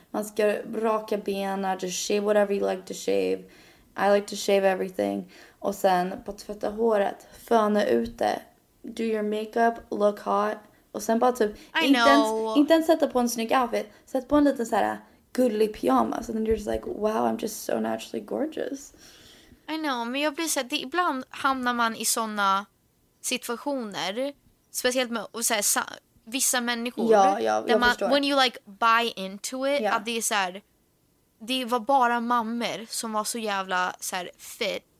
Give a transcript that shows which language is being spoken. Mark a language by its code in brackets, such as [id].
[sv] Man ska raka benar, [en] just shave whatever you like to shave. I like to shave everything. [sv] Och sen på tvätta håret, föna ut det. [en] Do your makeup, look hot. [sv] Och sen bara typ, inte ens sätta på en snygg outfit. Sätt på en liten så här gullig pyjama. [en] So then you're just like, wow, I'm just so naturally gorgeous. I know, [sv] men jag blir så här, ibland hamnar man i såna situationer. Speciellt med så här, vissa människor. Ja, jag där man, förstår. [en] When you like buy into it. Yeah. [sv] Att det är så här, det var bara mammor som var så jävla så här, fit.